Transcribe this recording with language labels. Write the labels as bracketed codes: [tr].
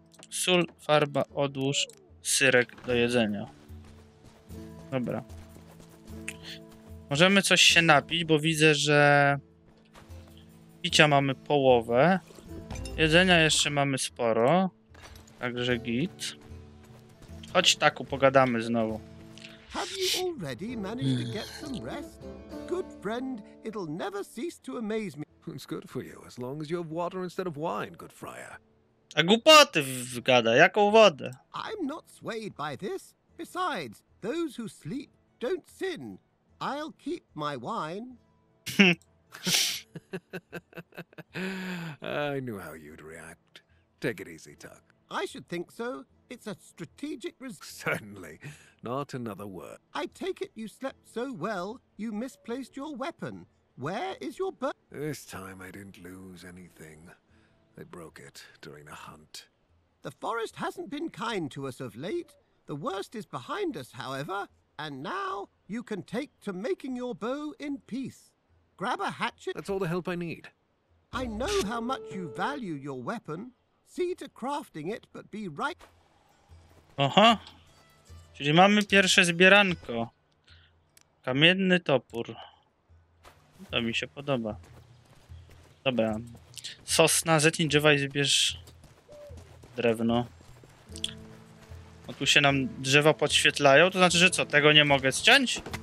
[pl] Sól, farba, odłóż, syrek do jedzenia. Dobra. Możemy coś się napić, bo widzę, że... Picia mamy połowę. Jedzenia jeszcze mamy sporo. Także git. Chodź taku, pogadamy znowu. [en] Have you already managed to get some rest? Good friend, it'll never cease to amaze me. It's good for you, as long as you have water instead of wine, good friar. [pl] A głupoty gada, jaką wodę? [en] I'm not swayed by this. Besides, those who sleep don't sin. I'll keep my wine. I knew how you'd react. Take it easy, Tuck. I should think so. It's a strategic Certainly. Not another word. I take it you slept so well, you misplaced your weapon. Where is your This time I didn't lose anything. They broke it during a hunt. The forest hasn't been kind to us of late. The worst is behind us, however, and now you can take to making your bow in peace. Grab a hatchet. That's all the help I need. I know how much you value your weapon. See to crafting it, but be right... Aha! [pl] Czyli mamy pierwsze zbieranko. Kamienny topór. To mi się podoba. Dobra. Sosna, zetnij drzewa i zbierz drewno. O, tu się nam drzewa podświetlają. To znaczy, że co? Tego nie mogę zciąć?